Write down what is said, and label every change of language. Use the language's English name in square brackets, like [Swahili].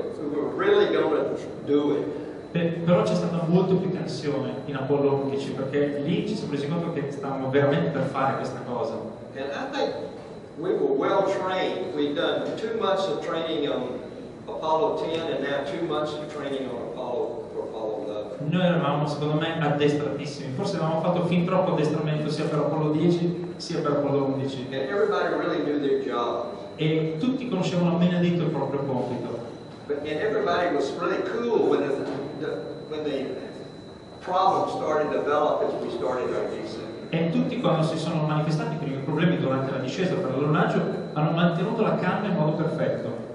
[English] We were really going to do it. [Italian] Però c'è stata molto più tensione in Apollo 11 perché lì ci siamo resi conto che stavamo veramente per fare questa cosa. [English] And I think we were well trained. We've done 2 months of training on Apollo 10 and now 2 months of training on Apollo 11. [Italian] Noi eravamo secondo me addestratissimi, forse avevamo fatto fin troppo addestramento sia per Apollo 10 sia per Apollo 11. [English] And everybody really knew their job. [Italian] E tutti conoscevano benedetto il proprio compito. [English] And everybody was really cool with it. When the problem started to develop as we started our descent. [Italian] E tutti quando si sono manifestati i primi problemi durante la discesa per l'allunaggio hanno mantenuto la calma in modo perfetto.